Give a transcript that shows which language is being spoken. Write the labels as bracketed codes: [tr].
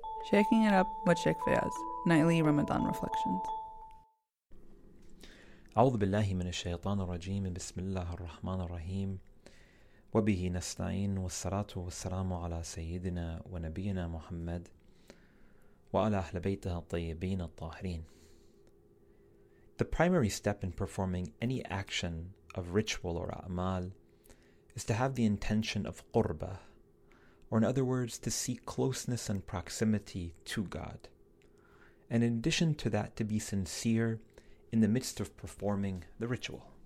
[en] Shaking it up with Sheikh Fayaz, nightly Ramadan reflections. [ar] أعوذ بالله من الشيطان الرجيم بسم الله الرحمن الرحيم وبه نستعين والصلاة والسلام على سيدنا ونبينا محمد وعلى أهل بيته الطيبين الطاهرين. [en] The primary step in performing any action of ritual or a'mal is to have the intention of qurba, or in other words, to seek closeness and proximity to God. And in addition to that, to be sincere in the midst of performing the ritual.